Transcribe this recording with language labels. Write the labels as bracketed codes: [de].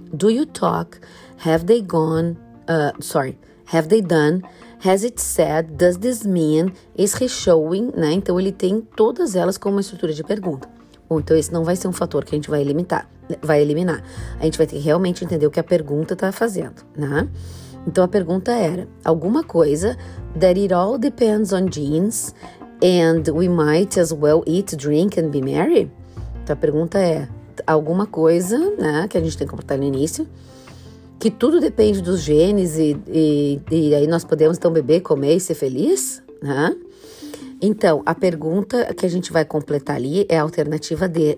[en] Do you talk? Have they gone? Have they done? Has it said? Does this mean? Is he showing? Né? [pt] Então, ele tem todas elas como uma estrutura de pergunta. Bom, então, esse não vai ser um fator que a gente vai eliminar. A gente vai ter que realmente entender o que a pergunta está fazendo, né? Então, a pergunta era alguma coisa, [en] that it all depends on genes and we might as well eat, drink and be merry? [pt] Então, a pergunta é alguma coisa, né, que a gente tem que comportar no início, que tudo depende dos genes e aí nós podemos, então, beber, comer e ser feliz, né? Então, a pergunta que a gente vai completar ali é a alternativa D.